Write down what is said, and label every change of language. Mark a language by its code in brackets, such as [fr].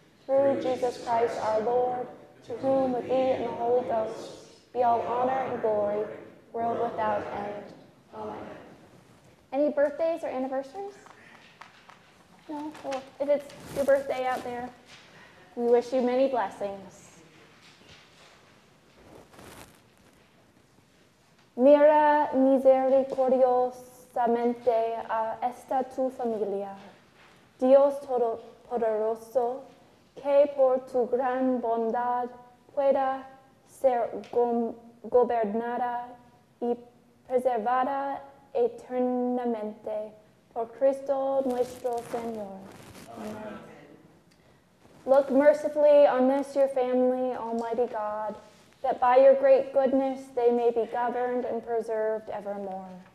[en] Through Jesus Christ our Lord, to whom with thee and the Holy Ghost be all honor and glory, world without end. Amen. Any birthdays or anniversaries? No? Well, if it's your birthday out there, we wish you many blessings. [es] Mira misericordiosamente a esta tu familia, Dios Todopoderoso, que por tu gran bondad pueda ser gobernada y preservada eternamente por Cristo nuestro Señor. Amen. [en] Look mercifully on this your family, Almighty God, that by your great goodness they may be governed and preserved evermore.